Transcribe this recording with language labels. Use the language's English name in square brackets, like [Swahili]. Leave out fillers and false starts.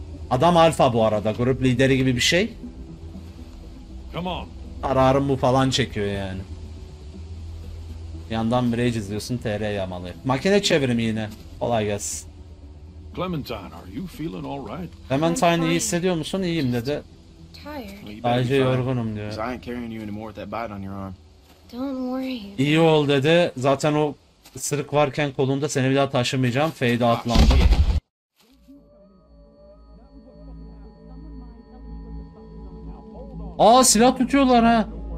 [Turkish] Adam alfa bu arada, grup lideri gibi bir şey. Kararım bu falan çekiyor yani. Yandan Rage izliyorsun, TR yamalı. Makine çevirimi yine. Kolay gelsin. [English] Clementine, are you feeling all right? [Turkish] Clementine, iyi hissediyor musun? İyiyim dedi. Bence yorgunum diyor. [English] I ain't carrying you anymore with that bite on your arm. Don't worry. [Turkish] İyi ol dedi. Zaten o ısırık varken kolumda seni bir daha taşımayacağım. Fade atlandı. Aa, silah tutuyorlar ha.